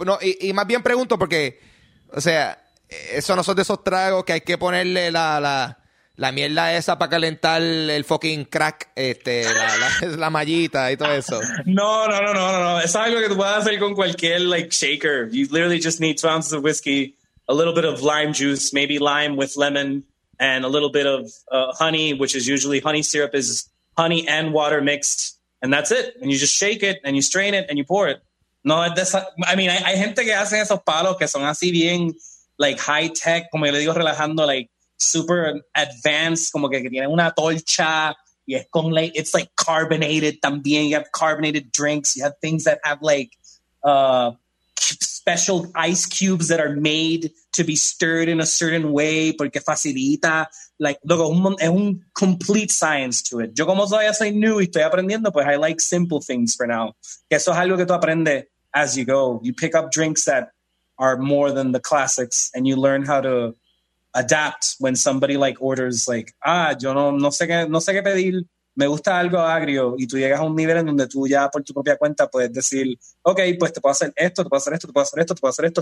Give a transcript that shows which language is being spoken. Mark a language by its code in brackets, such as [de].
[es] No, y más bien pregunto porque, o sea, eso no son de esos tragos que hay que ponerle la mierda esa para calentar el [en] fucking [es] crack, la mallita y todo eso. No. Es algo que tú puedes hacer con cualquier, [en] like, shaker. You literally just need 2 ounces of whiskey, a little bit of lime juice, maybe lime with lemon, and a little bit of honey, which is usually honey syrup, is honey and water mixed, and that's it. And you just shake it, and you strain it, and you pour it. No, I mean, [es] hay gente que hacen esos palos que son así bien, [en] like, high-tech, [es] como yo le digo, relajando, [en] like, super advanced, [es] como que tienen una torcha, y es con, [en] like, it's, like, carbonated [es] también. [en] You have carbonated drinks. You have things that have, like, special ice cubes that are made to be stirred in a certain way [es] porque facilita, [en] like, [es] luego es [en] un complete science to it. [es] Yo como todavía soy new y estoy aprendiendo, pues [en] I like simple things for now. [es] Eso es algo que tú aprendes [en] as you go. You pick up drinks that are more than the classics and you learn how to adapt when somebody like orders like, [es] ah, yo no sé qué pedir, me gusta algo agrio, y tú llegas a un nivel en donde tú ya por tu propia cuenta puedes decir, ok, pues te puedo hacer esto, te puedo hacer esto, te puedo hacer esto, te puedo hacer esto.